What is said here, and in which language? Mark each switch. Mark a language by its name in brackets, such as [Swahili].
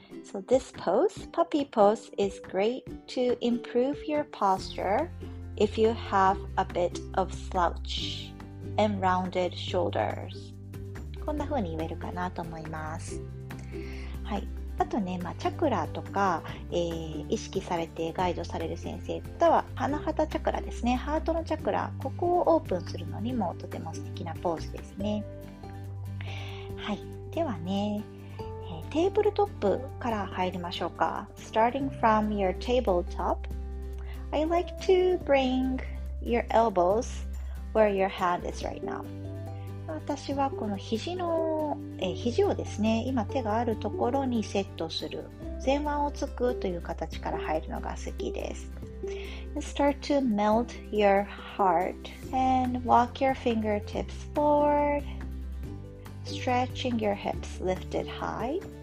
[English] So this pose, puppy pose, is great to improve your posture if you have a bit of slouch and rounded shoulders. [Japanese] こんな風に言えるかなと思います。はい。あとね、チャクラとか、意識されてガイドされる先生、または鼻畑チャクラですね。ハートのチャクラ、ここをオープンするのにもとても素敵なポーズですね。はい。ではね、テーブルトップから入りましょうか。 [English] Starting from your tabletop, I like to bring your elbows where your hand is right now. [Japanese] 私はこの肘をですね、今手があるところにセットする。前腕をつくという形から入るのが好きです。 [English] Start to melt your heart and walk your fingertips forward, stretching your hips lifted high.